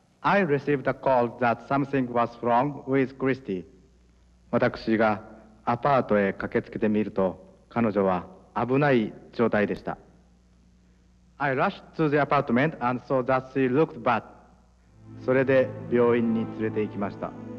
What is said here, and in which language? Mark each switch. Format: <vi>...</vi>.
<en>I received a call that something was wrong with Christie.</en> <ja>私がアパートへ駆けつけてみると、彼女は危ない状態でした.</ja> <en>I rushed to the apartment and saw that she looked bad.</en> <ja>それで病院に連れて行きました.</ja>